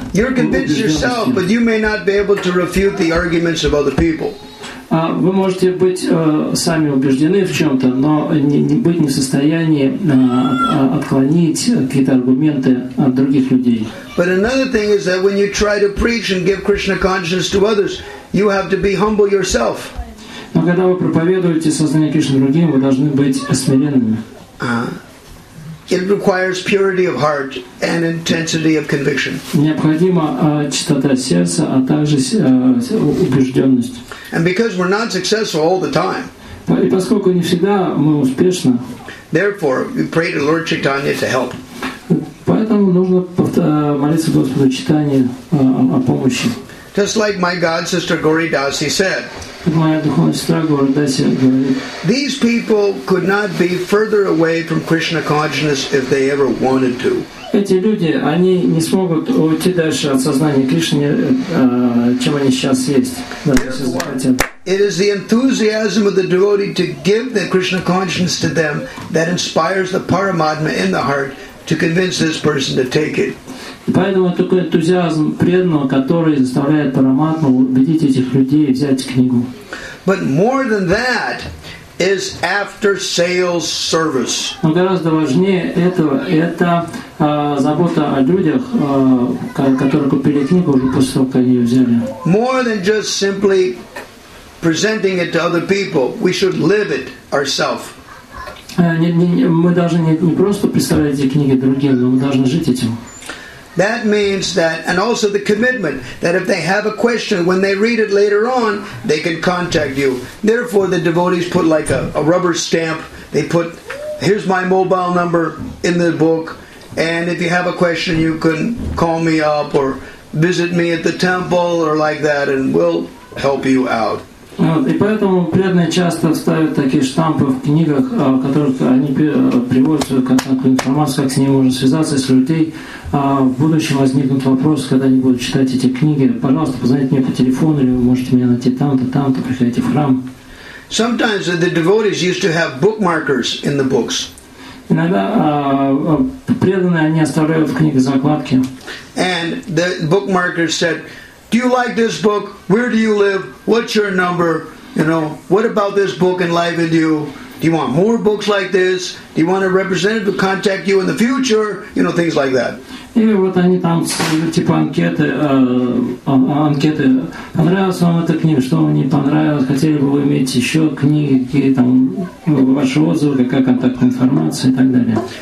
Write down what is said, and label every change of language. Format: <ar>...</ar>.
<en>You're convinced yourself, but you may not be able to refute the arguments of other people.</en> <ru>Вы можете быть сами убеждены в чем-то, но не быть не в состоянии отклонить какие-то аргументы от других людей.</ru> <en>But another thing is that when you try to preach and give Krishna consciousness to others, you have to be humble yourself.</en> <ru>Но когда вы проповедуете сознание Кришны другим, вы должны быть смиренными.</ru> <en>It requires purity of heart and intensity of conviction.</en> <ru>Необходима чистота сердца, а также убежденность.</ru> <en>And because we're not successful all the time.</en> <ru>И поскольку не всегда мы успешны.</ru> <en>Therefore, we pray to Lord Chaitanya to help.</en> <ru>Поэтому нужно молиться Господу Чайтанье о помощи.</ru> <en>Just like my god sister Gauri Dasi said. These people could not be further away from Krishna consciousness if they ever wanted to.</en> <ru>Эти люди, они не смогут уйти дальше от сознания Кришны, чем они сейчас есть.</ru> <en>It is the enthusiasm of the devotee to give the Krishna consciousness to them that inspires the Paramatma in the heart to convince this person to take it.</en> <ru>Поэтому такой энтузиазм преданного, который заставляет Параматму убедить этих людей взять книгу.</ru> <en>But more than that is after sales service.</en> <ru>Но гораздо важнее этого это забота о людях, которые купили книгу уже после того, как ее взяли.</ru> <en>More than just simply presenting it to other people, we should live it ourselves.</en> <ru>Мы должны не просто представлять эти книги другим, но мы должны жить этим.</ru> <en>That means that, and also the commitment, that if they have a question, when they read it later on, they can contact you. Therefore, the devotees put like a rubber stamp, they put, here's my mobile number in the book, and if you have a question, you can call me up or visit me at the temple or like that, and we'll help you out.</en> <ru>И поэтому преданные часто ставят такие штампы в книгах, в которых они приводят свою контактную информацию, как с ними можно связаться, если у людей в будущем возникнут вопросы, когда они будут читать эти книги. Пожалуйста, позвоните мне по телефону, или вы можете меня найти там-то, там-то, приходите в храм.</ru> <en>Sometimes the devotees used to have bookmarkers in the books.</en> <ru>Иногда преданные, они оставляют в книгах закладки.</ru> <en>And the bookmarkers said, do you like this book? Where do you live? What's your number? You know, what about this book enlivened you? Do you want more books like this? Do you want a representative to contact you in the future? You know, things like that.</en> <ru>Или вот они там типа анкеты. Понравилась вам эта книга? Что вам не понравилось? Хотели бы вы иметь еще книги, какие там ваши отзывы, какая контактная информация и так далее.</ru>